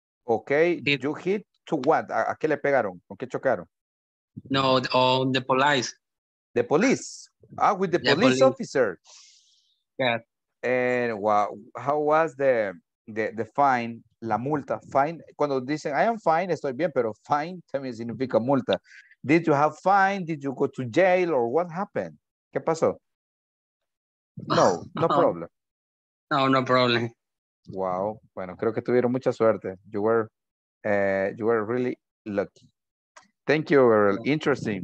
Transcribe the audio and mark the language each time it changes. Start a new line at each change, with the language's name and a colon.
English: Okay, hit. You hit to what?
Spanish: ¿A qué le pegaron? ¿Con qué chocaron?
English: No, on the police. The police? Ah, with the police officer. Yeah. And how was the fine, la multa, fine.
Spanish: Cuando dicen,
English: I am fine,
Spanish: estoy bien, pero fine también significa multa.
English: Did you have fine? Did you go to jail or what happened?
Spanish: ¿Qué pasó? No,
English: no problem. No problem. Wow,
Spanish: bueno, creo que tuvieron mucha suerte.
English: You were really lucky. Thank you, girl. Interesting.